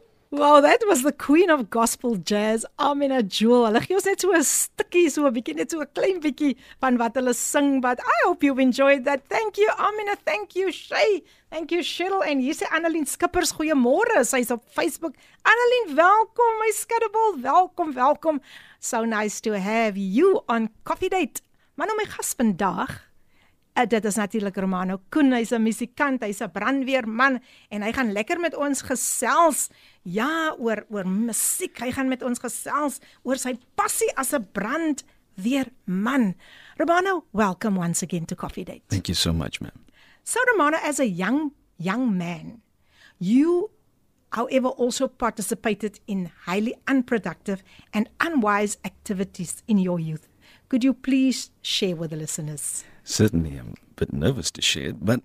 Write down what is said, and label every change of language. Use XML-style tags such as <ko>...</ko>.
<en>Well, that was the queen of gospel jazz. I'm in a jewel.</en> <af>Hulle gee ons net so 'n stukkie, so 'n bietjie, net so 'n klein bietjie van wat hulle sing.</af> <en>But I hope you've enjoyed that. Thank you, Amina. Thank you, Shay. Thank you, Cheryl.</en> <af>En hier sê Annelien Skippers, goeiemôre. Sy's op Facebook. Annelien, welkom, my skattebol. Welkom.</af> <en>So nice to have you on Coffee Date.</en> <af>Maar nou my gas vandag, dit is natuurlik Romano Koen. Hy's 'n musikant, hy's 'n brandweerman en hy gaan lekker met ons gesels. Ja, oor musiek. Hy gaan met ons gesels oor sy passie as 'n brandweerman.</af> <en>Romano, welcome once again to Coffee Date. Thank you so much, ma'am. So Romano, as a young man, you however also participated in highly unproductive and unwise activities in your youth. Could you please share with the listeners? Certainly, I'm a bit nervous to share it, but</en>